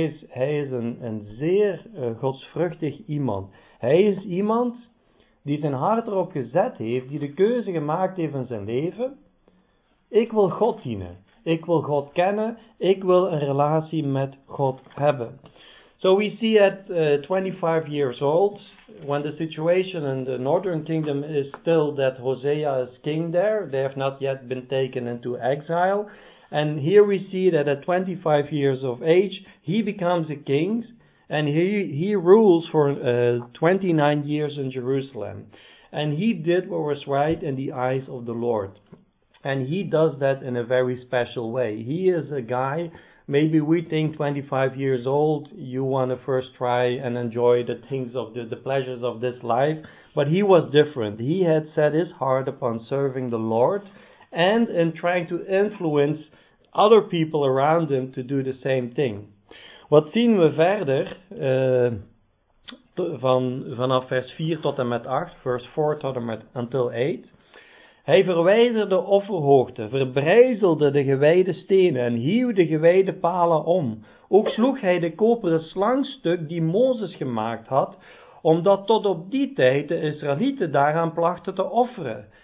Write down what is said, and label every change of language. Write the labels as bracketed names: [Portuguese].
[Dutch] Hij is een zeer godsvruchtig iemand. Hij is iemand die zijn hart erop gezet heeft, die de keuze gemaakt heeft in zijn leven. Ik wil God dienen. Ik wil God kennen. Ik wil een relatie met God hebben. [English] So we see at 25 years old, when the situation in the northern kingdom is still that Hosea is king there, they have not yet been taken into exile. And here we see that at 25 years of age, he becomes a king, and he rules for 29 years in Jerusalem. And he did what was right in the eyes of the Lord. And he does that in a very special way. He is a guy, maybe we think 25 years old, you want to first try and enjoy the things of the pleasures of this life. But he was different. He had set his heart upon serving the Lord and in trying to influence other people around him to do the same thing. [Dutch] Wat zien we verder vanaf vers 4 tot en met 8, vers 4 tot en met until 8. Hij verwijderde de offerhoogte, verbrijzelde de gewijde stenen en hieuw de gewijde palen om. Ook sloeg hij de koperen slangstuk die Mozes gemaakt had, omdat tot op die tijd de Israëlieten daaraan plachten te offeren.